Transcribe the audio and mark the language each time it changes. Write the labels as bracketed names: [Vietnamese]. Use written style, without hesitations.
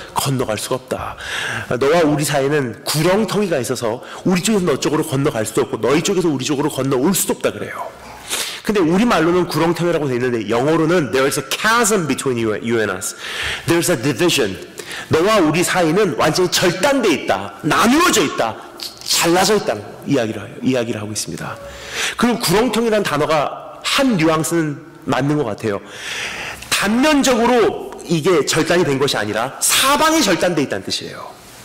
[Korean] 건너갈 수가 없다. 너와 우리 사이에는 구렁텅이가 있어서 우리 쪽에서 너 쪽으로 건너갈 수도 없고 너희 쪽에서 우리 쪽으로 건너올 수도 없다 그래요. 근데 우리말로는 구렁텅이라고 되어 있는데 영어로는 [English] There is a chasm between you and us. There is a division. [Korean] 너와 우리 사이는 완전히 절단되어 있다. 나누어져 있다. 잘라져 있다. 이야기를 하고 있습니다. 그리고 구렁텅이라는 단어가 한 뉘앙스는 맞는 것 같아요. 단면적으로 이게 절단이 된 것이 아니라 사방이 절단되어 있다는 뜻이에요.